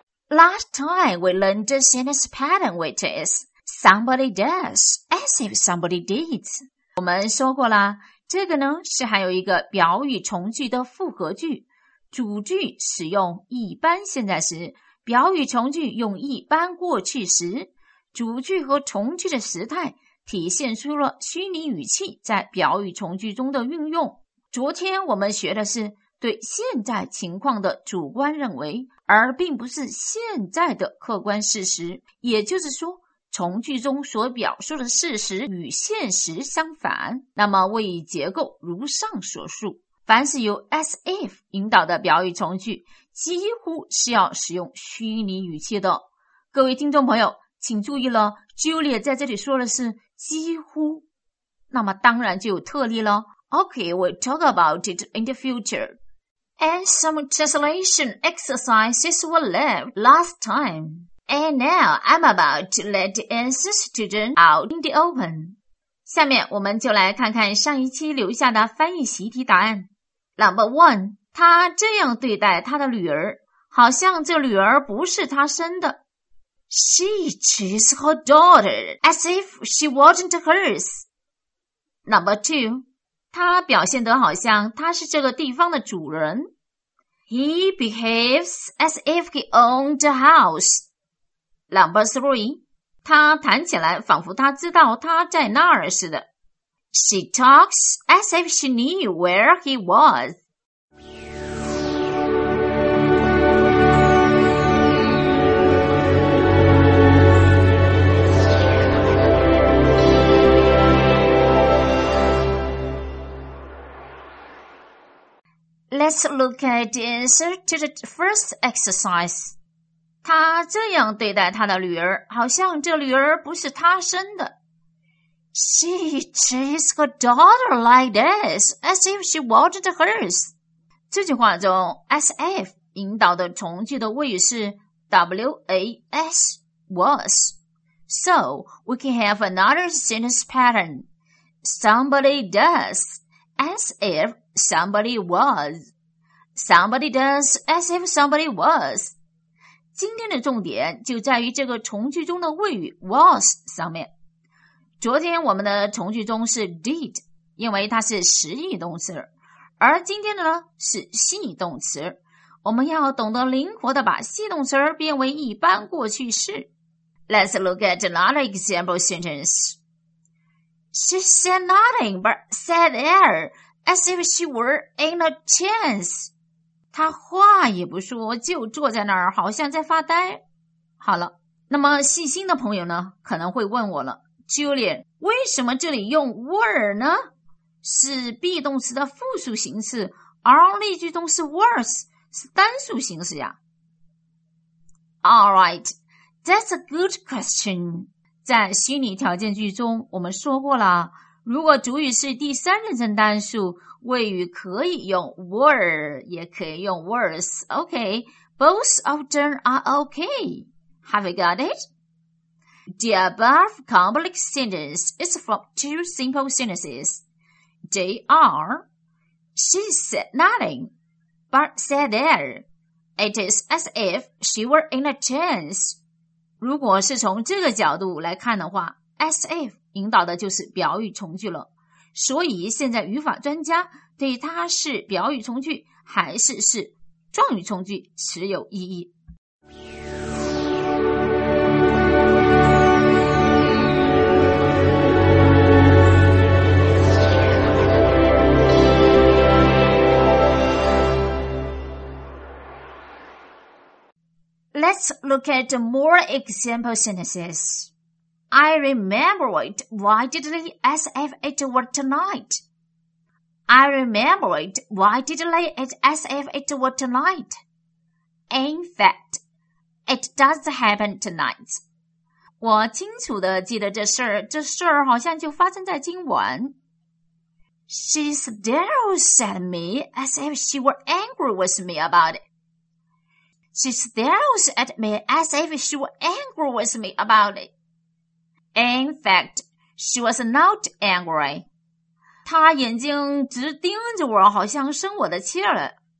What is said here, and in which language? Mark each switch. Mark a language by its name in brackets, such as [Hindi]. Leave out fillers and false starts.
[English] Last time we learned the sentence pattern, which is somebody does as if somebody did. [Chinese] 我们说过了，这个呢是还有一个表语从句的复合句，主句使用一般现在时，表语从句用一般过去时，主句和从句的时态体现出了虚拟语气在表语从句中的运用。昨天我们学的是对现在情况的主观认为，而并不是现在的客观事实，也就是说从句中所表述的事实与现实相反。那么谓语结构如上所述，凡是由 as if 引导的表语从句几乎是要使用虚拟语气的。各位听众朋友请注意了， Julia 在这里说的是几乎，那么当然就有特例了。 [English] Okay, we'll talk about it in the future. And some translation exercises were left last time. And now I'm about to let the answers to them out in the open. [Chinese] 下面我们就来看看上一期留下的翻译习题答案。 [English] Number one, [Chinese] 他这样对待他的女儿，好像这女儿不是他生的。 [English] She treats her daughter as if she wasn't hers. Number two, [Chinese] 他表现得好像他是这个地方的主人。 [English] He behaves as if he owned the house. Number three, [Chinese] 他谈起来仿佛他知道他在那儿似的。 [English] She talks as if she knew where he was. Let's look at the answer to the first exercise. [Chinese] 他这样对待他的女儿，好像这女儿不是他生的。 [English] She treats her daughter like this, as if she wasn't hers. [Chinese] 这句话中 as if 引导的从句的谓语是 was, was. [English] So, we can have another sentence pattern. Somebody does, as if somebody was. Somebody does as if somebody was. [Chinese] 今天的重点就在于这个从句中的谓语 was 上面。昨天我们的从句中是 did, 因为它是实义动词，而今天的呢是系动词。我们要懂得灵活的把系动词变为一般过去式。 [English] Let's look at another example sentence. She said nothing but sat there as if she were in a trance. [Chinese] 他话也不说，就坐在那儿，好像在发呆。好了，那么细心的朋友呢，可能会问我了 ，Julia， 为什么这里用 were 呢？是 be 动词的复数形式，而例句中是 was 是单数形式呀 [English] ？All right, that's a good question. [Chinese] 在虚拟条件句中，我们说过了，如果主语是第三人称单数，谓语可以用 were, 也可以用 was. [English] Okay, both of them are okay. Have you got it? The above complex sentence is from two simple sentences. They are, she said nothing, but sat there. It is as if she were in a trance. [Chinese] 如果是从这个角度来看的话， as if 引导的就是表语从句了。所以现在语法专家对它是表语从句还是是状语从句持有异议。 [English] Let's look at more example sentences. I remember it vividly as if it were tonight. I remember it vividly as if it were tonight. In fact, it does happen tonight. [Chinese] 我清楚地记得这事儿，这事儿好像就发生在今晚。 [English] She stares at me as if she were angry with me about it. She stares at me as if she were angry with me about it. In fact, she was not angry. [Chinese] 她眼睛直盯着我，好像生我的气了。